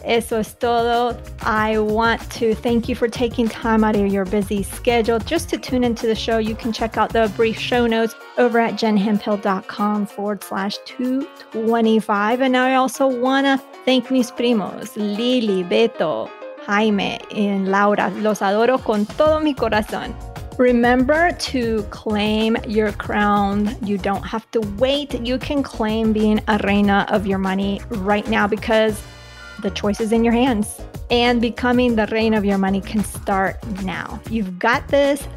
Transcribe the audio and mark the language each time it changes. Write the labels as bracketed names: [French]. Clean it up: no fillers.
[Spanish] Eso es todo. [English] I want to thank you for taking time out of your busy schedule just to tune into the show. You can check out the brief show notes over at jenhemphill.com/225. And I also want to thank [Spanish] mis primos, [English] Lily, Beto, Jaime, and Laura. [Spanish] Los adoro con todo mi corazón. [English] Remember to claim your crown. You don't have to wait. You can claim being a reina of your money right now because the choice is in your hands. And becoming the reina of your money can start now. You've got this.